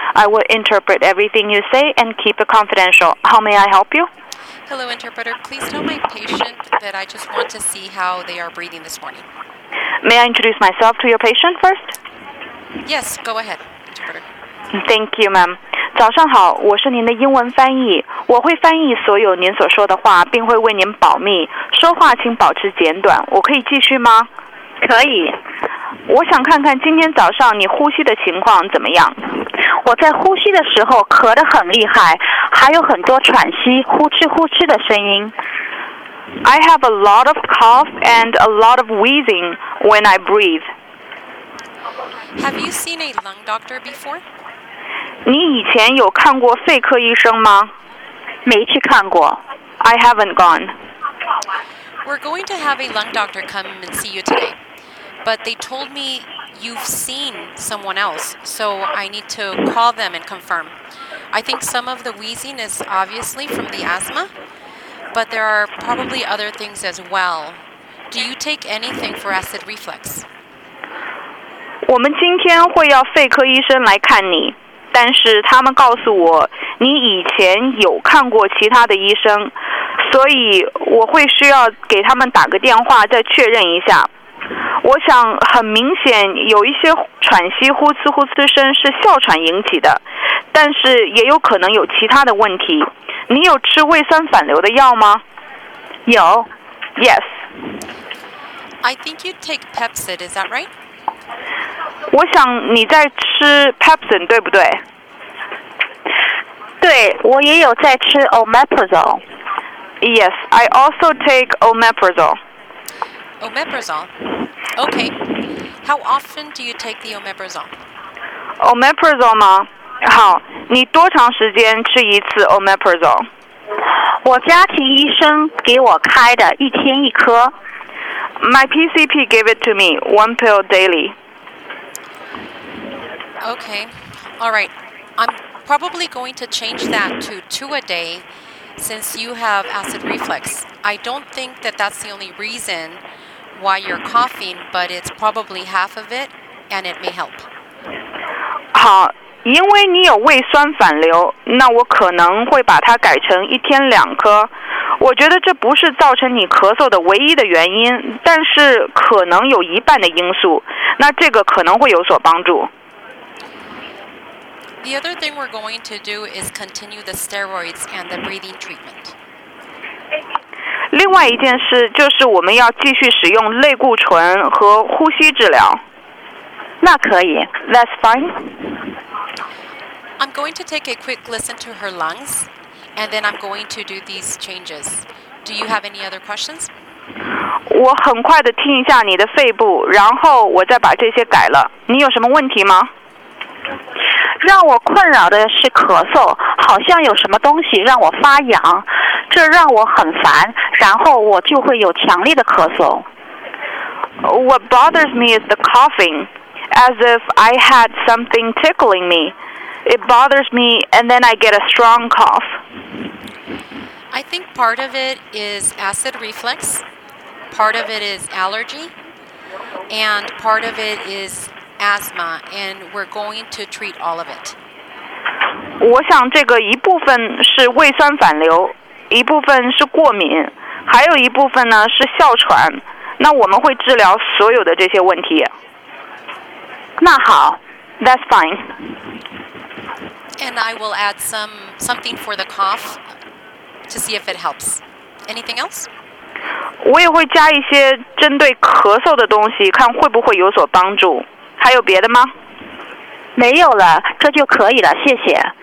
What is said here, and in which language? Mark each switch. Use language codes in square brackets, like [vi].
[en] I will interpret everything you say and keep it confidential. How may I help you? Hello, interpreter. Please tell my patient that I just want to see how they are breathing this morning. May I introduce myself to your patient first? Yes, go ahead, interpreter. Thank you, ma'am. [zh] 早上好，我是您的英文翻译。我会翻译所有您所说的话，并会为您保密。说话请保持简短，我可以继续吗？可以。我想看看今天早上你呼吸的情况怎么样。我在呼吸的时候咳得很厉害，还有很多喘息，呼哧呼哧的声音。 [en] I have a lot of cough and a lot of wheezing when I breathe. Have you seen a lung doctor before? [zh] 你以前有看过肺科医生吗？没去看过。 [en] I haven't gone. We're going to have a lung doctor come and see you today. But they told me you've seen someone else, so I need to call them and confirm. I think some of the wheezing is obviously from the asthma, but there are probably other things as well. Do you take anything for acid reflux? [zh] 我们今天会要肺科医生来看你，但是他们告诉我你以前有看过其他的医生，所以我会需要给他们打个电话再确认一下。我想很明显有一些喘息呼哧呼哧声是哮喘引起的，但是也有可能有其他的问题。你有吃胃酸反流的药吗？有。 [en] Yes, I think you take Pepcid, is that right? [zh] 我想你在吃 Pepcid, 对不对？对，我也有在吃 Omeprazole. [en] Yes, I also take Omeprazole. Omeprazole? Okay. How often do you take the Omeprazole? [zh] Omeprazole 吗？好，你多长时间吃一次 Omeprazole? 我家庭医生给我开的，一天一颗。 [en] My PCP gave it to me, one pill daily. Okay. All right. I'm probably going to change that to two a day since you have acid reflux. I don't think that that's the only reason why you're coughing, but it's probably half of it, and it may help. [zh] 好，因为你有胃酸反流，那我可能会把它改成一天两颗。我觉得这不是造成你咳嗽的唯一的原因，但是可能有一半的因素，那这个可能会有所帮助。 [en] The other thing we're going to do is continue the steroids and the breathing treatment. [zh] 另外一件事就是我们要继续使用类固醇和呼吸治疗。那可以。 [en] That's fine. I'm going to take a quick listen to her lungs, and then I'm going to do these changes. Do you have any other questions? [zh] 我很快地听一下你的肺部，然后我再把这些改了。你有什么问题吗？让我困扰的是咳嗽，好像有什么东西让我发痒，这让我很烦，然后我就会有强烈的咳嗽。 [en] What bothers me is the coughing, as if I had something tickling me. It bothers me, and then I get a strong cough. I think part of it is acid reflux, part of it is allergy, and part of it is asthma, and we're going to treat all of it. [zh] 我想这个一部分是胃酸反流，一部分是过敏，还有一部分呢是哮喘，那我们会治疗所有的这些问题。那好。 [en] That's fine. And I will add something for the cough to see if it helps. Anything else? [zh] 我也会加一些针对咳嗽的东西，看会不会有所帮助。还有别的吗？没有了，这就可以了，谢谢。